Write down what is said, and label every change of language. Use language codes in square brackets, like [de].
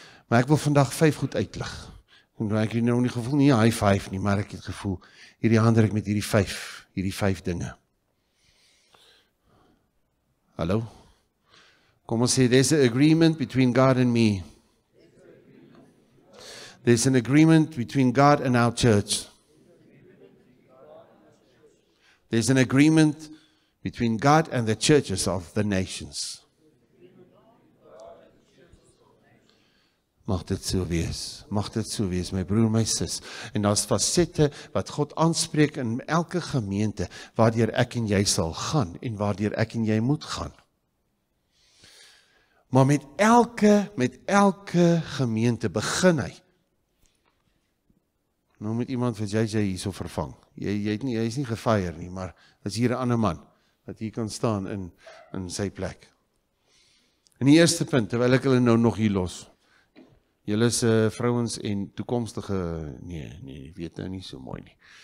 [af] Maar ek wil vandag 5 goed uitlig. En ek het nou nie gevoel, nie high five nie, maar ek het gevoel, hierdie hand ek met hierdie vijf dinge. Hallo? Kom ons sê, [en] there's an agreement between God and me. There's an agreement between God and our church. There's an agreement between God and the churches of the nations. [af] Mag dit so wees. Mag dit so wees, my broer, my sis. En daar's facette wat God aanspreek in elke gemeente waardeur ek en jy sal gaan en waardeur ek en jy moet gaan. Maar met elke gemeente begin hy. Nou moet iemand vir JJ hierso vervang. Jy is nie gefeier nie, maar is hier 'n ander man wat hier kan staan in sy plek. In die eerste punt, terwyl ek hulle nou nog hier los. Julle se vrouens en toekomstige nee, weet nou nie so mooi nie.